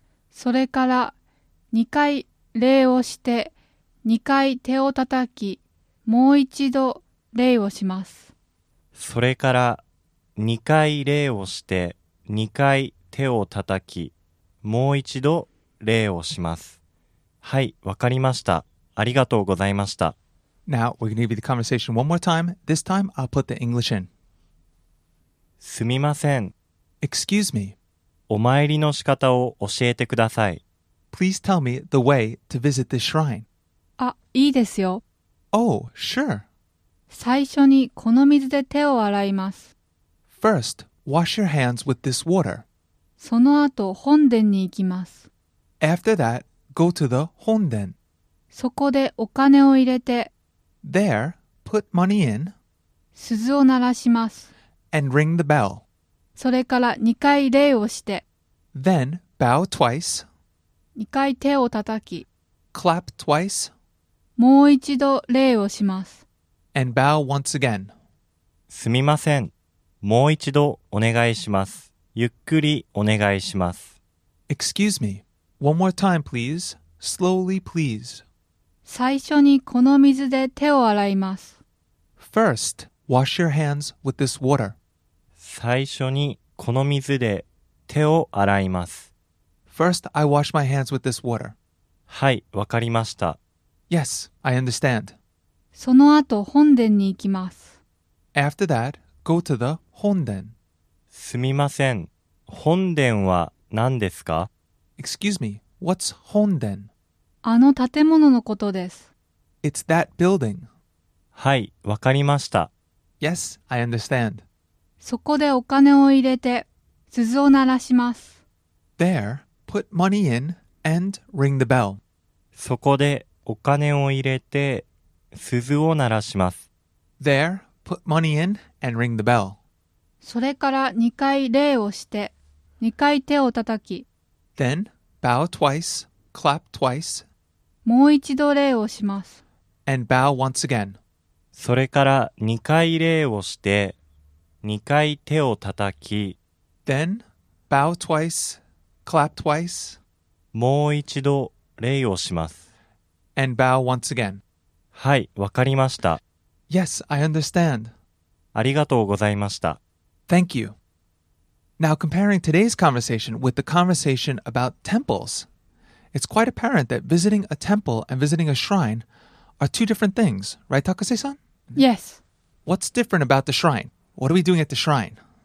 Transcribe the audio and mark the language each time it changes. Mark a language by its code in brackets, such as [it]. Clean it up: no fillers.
[ja] それから、2回礼をして、2回手をたたき、もう一度礼をします。それから、二回礼をして、二回手を叩き、もう一度礼をします。はい、わかりました。ありがとうございました。 [en] Now, we're going to give the conversation one more time. This time, I'll put the English in. [ja] すみません。 [en] Excuse me. [ja] お参りの仕方を教えてください。 [en] Please tell me the way to visit the shrine. [ja] あ、いいですよ。 [en] Oh, sure. [ja] 最初にこの水で手を洗います。 [en] First, wash your hands with this water. [ja] その後、本殿に行きます。 [en] After that, go to the 本殿。 [ja] そこでお金を入れて。 [en] There, put money in. [ja] 鈴を鳴らします。 [en] And ring the bell. [ja] それから2回礼をして。 [en] Then, bow twice. [ja] 2回手を叩き。 [en] Clap twice. [ja] もう一度礼をします。 [en] And bow once again. [ja] すみません。もう一度お願いします。ゆっくりお願いします。 [en] Excuse me. One more time, please. Slowly, please. [ja] 最初にこの水で手を洗います。 [en] First, wash your hands with this water. [ja] 最初にこの水で手を洗います。 [en] First, I wash my hands with this water. [ja] はい、わかりました。 [en] Yes, I understand. [ja] その後、本殿に行きます。 [en] After that, go to the 本殿。 [ja] すみません。本殿は何ですか？ [en] Excuse me, what's 本殿？ [ja] あの建物のことです。 [en] It's that building. [ja] はい、わかりました。 [en] Yes, I understand. [ja] そこでお金を入れて、鈴を鳴らします。 [en] There, put money in and ring the bell. [ja] そこでお金を入れて、鈴を鳴らします。 [en] There, put money in and ring the bell. [ja] それから2回礼をして、2回手をたたき。 [en] Then, bow twice, clap twice. [ja] もう一度礼をします。 [en] And bow once again. [ja] それから2回礼をして2回手をたたき [en] Then bow twice, clap twice [ja] もう一度礼をします [en] And bow once again [ja] はい、わかりました [en] Yes, I understand [ja] ありがとうございました [en] Thank you Now comparing today's conversation with the conversation about temples It's quite apparent that visiting a temple and visiting a shrine are two different things, right Takase-san? Yes. What's different about the shrine? What are we doing at the shrine?